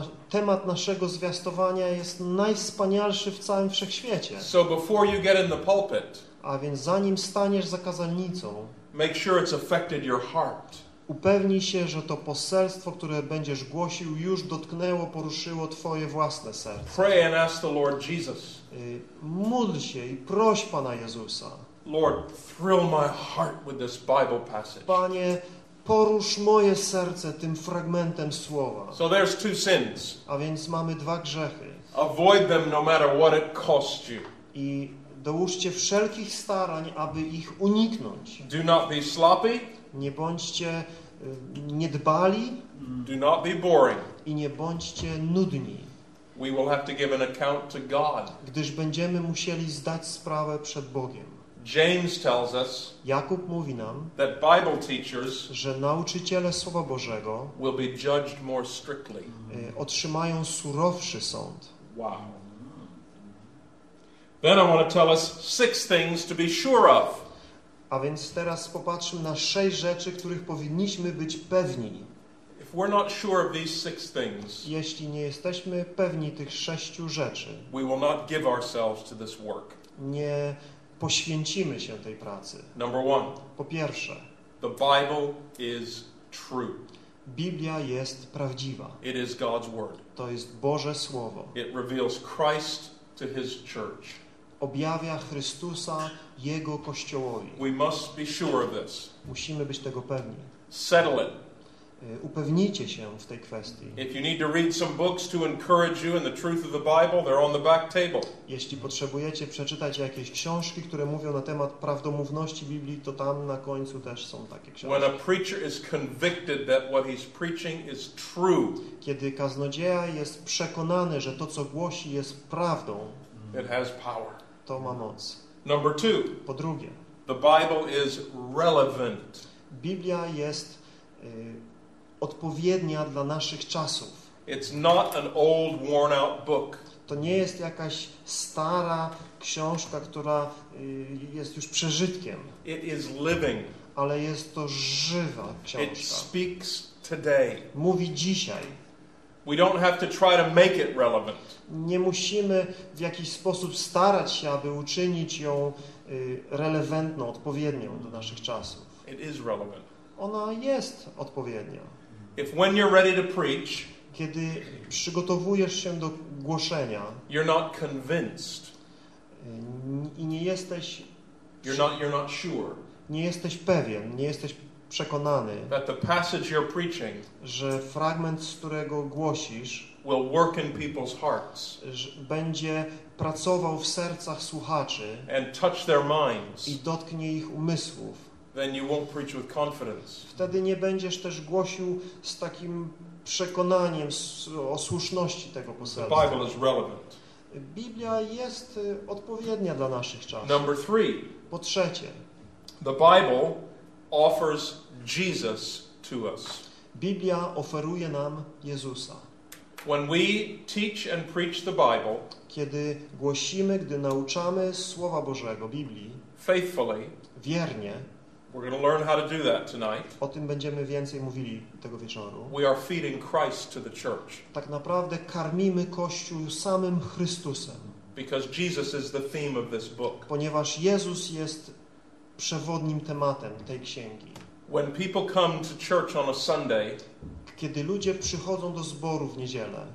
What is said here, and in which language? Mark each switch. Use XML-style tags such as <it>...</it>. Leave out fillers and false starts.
<pl>Temat naszego zwiastowania jest najwspanialszy w całym wszechświecie.</pl> <en>So before you get in the pulpit,</en> <pl>a więc zanim staniesz za kazalnicą,</pl> <en>make sure it's affected your heart.</en> <pl>Upewnij się, że to poselstwo, które będziesz głosił, już dotknęło, poruszyło twoje własne serce.</pl> <en>Pray and ask the Lord Jesus.</en> <pl>Módl się i proś Pana Jezusa.</pl> <en>Lord, thrill my heart with this Bible passage.</en> <pl>Panie, porusz moje serce tym fragmentem słowa.</pl> <en>So there's two sins.</en> <pl>A więc mamy dwa grzechy.</pl> <en>Avoid them no matter what it costs you.</en> <pl>I dołóżcie wszelkich starań, aby ich uniknąć.</pl> <en>Do not be sloppy.</en> <pl>Nie bądźcie niedbali.</pl> <en>Do not be boring.</en> <pl>I nie bądźcie nudni.</pl> <en>We will have to give an account to God.</en> <pl>Gdyż będziemy musieli zdać sprawę przed Bogiem.</pl> <en>James tells us,</en> <pl>Jakub mówi nam,</pl> <en>that Bible teachers,</en> <pl>że nauczyciele Słowa Bożego,</pl> <en>will be judged more strictly.</en> <pl>Otrzymają surowszy sąd.</pl> <en>Wow. Then I want to tell us 6 things to be sure of.</en> <pl>A więc teraz popatrzmy na 6 rzeczy, których powinniśmy być pewni.</pl> <en>If we're not sure of these six things,</en> <pl>jeśli nie jesteśmy pewni tych sześciu rzeczy,</pl> <en>we will not give ourselves to this work.</en> <pl>Nie poświęcimy się tej pracy.</pl> <en>Number one,</en> <pl>po pierwsze,</pl> <en>the Bible is true.</en> <pl>Biblia jest prawdziwa.</pl> <en>It is God's word.</en> <pl>To jest Boże Słowo.</pl> <en>It reveals Christ to His church.</en> <pl>Objawia Chrystusa Jego Kościołowi.</pl> <en>We must be sure of this.</en> <pl>Musimy być tego pewni.</pl> <en>Settle it.</en> <pl>Upewnijcie się w tej kwestii.</pl> <en>If you need to read some books to encourage you in the truth of the Bible, they're on the back table.</en> <pl>Jeśli potrzebujecie przeczytać jakieś książki, które mówią na temat prawdomówności Biblii, to tam na końcu też są takie książki.</pl> <en>When a preacher is convicted that what he's preaching is true,</en> <pl>kiedy kaznodzieja jest przekonany, że to, co głosi, jest prawdą,</pl> <en>it has power.</en> <pl>To ma moc.</pl> <en>Number two,</en> <pl>po drugie,</pl> <en>the Bible is relevant.</en> <pl>Biblia jest odpowiednia dla naszych czasów.</pl> <en>It's not an old, worn out book.</en> <pl>To nie jest jakaś stara książka, która jest już przeżytkiem.</pl> <en>It is living.</en> <pl>Ale jest to żywa książka.</pl> <en>It speaks today.</en> <pl>Mówi dzisiaj.</pl> <en>We don't have to try to make it relevant.</en> <pl>Nie musimy w jakiś sposób starać się, aby uczynić ją relewentną, odpowiednią do naszych czasów.</pl> <en>It is relevant.</en> <pl>Ona jest odpowiednia.</pl> <en>If when you're ready to preach,</en> <pl>kiedy przygotowujesz się do głoszenia,</pl> <en>you're not convinced.</en> <pl>I nie jesteś</pl> <en>you're not sure.</en> <pl>Nie jesteś pewien, nie jesteś przekonany,</pl> <en>that the passage you're preaching,</en> <pl>że fragment, z którego głosisz,</pl> <en>will work in people's hearts,</en> <pl>że będzie pracował w sercach słuchaczy,</pl> <en>and touch their minds,</en> <pl>i dotknie ich umysłów,</pl> <en>then you won't preach with confidence.</en> <pl>Wtedy nie będziesz też głosił z takim przekonaniem o słuszności tego poselstwa.</pl> <en>The Bible is relevant.</en> <pl>Biblia jest odpowiednia dla naszych czasów.</pl> <en>Number three.</en> <pl>Po trzecie.</pl> <en>The Bible offers Jesus to us.</en> <pl>Biblia oferuje nam Jezusa.</pl> <en>When we teach and preach the Bible,</en> <pl>kiedy głosimy, gdy nauczamy Słowa Bożego, Biblii,</pl> <en>faithfully,</en> <pl>wiernie,</pl> <en>we're going to learn how to do that tonight.</en> <pl>O tym będziemy więcej mówili tego wieczoru.</pl> <en>We are feeding Christ to the church.</en> <pl>Tak naprawdę karmimy Kościół samym Chrystusem.</pl> <en>Because Jesus is the theme of this book.</en> <pl>Ponieważ Jezus jest przewodnim tematem tej księgi.</pl> <en>When people come to church on a Sunday,</en> <pl>kiedy ludzie przychodzą do zboru w niedzielę,</pl>